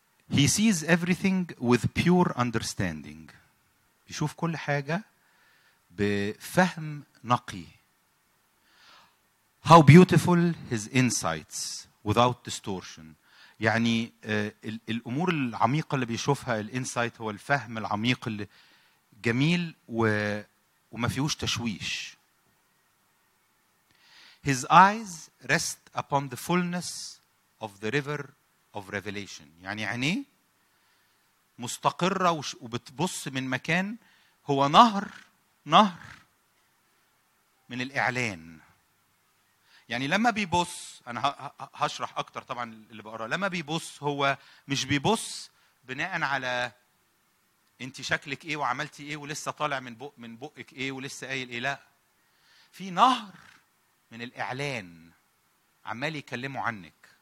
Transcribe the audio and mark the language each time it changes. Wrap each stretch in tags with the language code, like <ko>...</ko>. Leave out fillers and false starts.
<en>He sees everything with pure understanding.</en> <ar>بيشوف كل حاجة بفهم نقي.</ar> <en>How beautiful his insights without distortion.</en> <ar>يعني الأمور العميقة اللي بيشوفها الانسايت هو الفهم العميق الجميل وما فيهوش تشويش.</ar> <en>His eyes rest upon the fullness of the river of revelation.</en> <ar>يعني عينيه مستقرة وبتبص من مكان هو نهر نهر من الإعلان. يعني لما بيبص، أنا هشرح أكتر طبعاً اللي بقرأ، لما بيبص هو مش بيبص بناء على أنت شكلك إيه وعملتي إيه ولسه طالع من بقك إيه ولسه قايل إيه. لا، في نهر من الإعلان عمال يكلمه عنك.</ar>